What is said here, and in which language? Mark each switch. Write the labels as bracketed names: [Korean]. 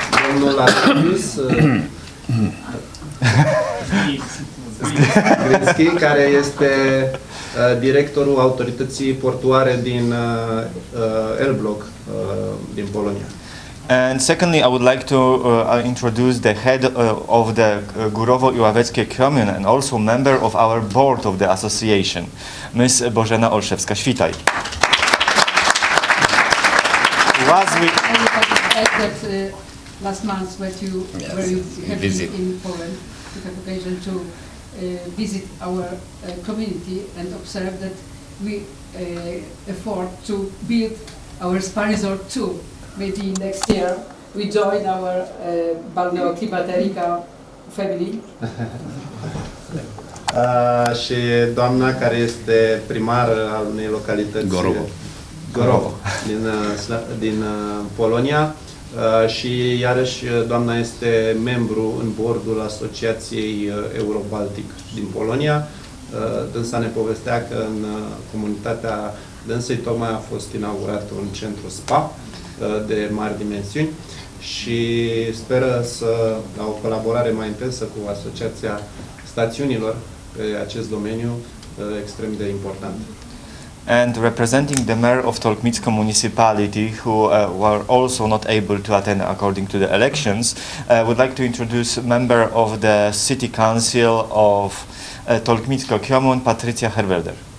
[Romanian] Domnul Arkadiusz Gniński, care este directorul autorității portuare din Elbląg, din Polonia. [English] And secondly, I would like to introduce the head of the Górowo-Iławeckie Commune and also member of our board of the association, Ms. Bożena Olszewska-Świtaj. Last month, where you visited in Poland, you had occasion to visit our community and observe that we afford to build our spa resort too. Maybe next year we join our Balneo Climaterica family. [Romanian] Și doamna care este primar al unei localități Gorovo din Polonia. Și iarăși doamna este membru în bordul Asociației Eurobaltic din Polonia. Dânsa ne povestea că în comunitatea dânsei tocmai a fost inaugurat un centru spa de mari dimensiuni și speră să la o colaborare mai intensă cu Asociația Stațiunilor pe acest domeniu extrem de important. [English] And representing the mayor of Tolkmicka municipality, who were also not able to attend according to the elections, would like to introduce a member of the city council of Tolkmicka Kjomun, Patricia Herwelder.